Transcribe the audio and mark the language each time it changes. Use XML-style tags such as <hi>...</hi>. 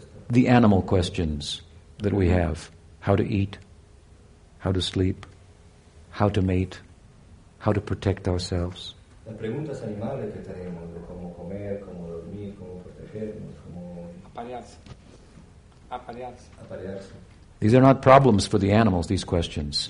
<en>The animal questions that we have: how to eat, how to sleep, how to mate, how to protect ourselves.</en> <es>Las preguntas animales que tenemos de cómo comer, cómo dormir, cómo protegernos, cómo aparearse.</es> <en>These are not problems for the animals, these questions.</en>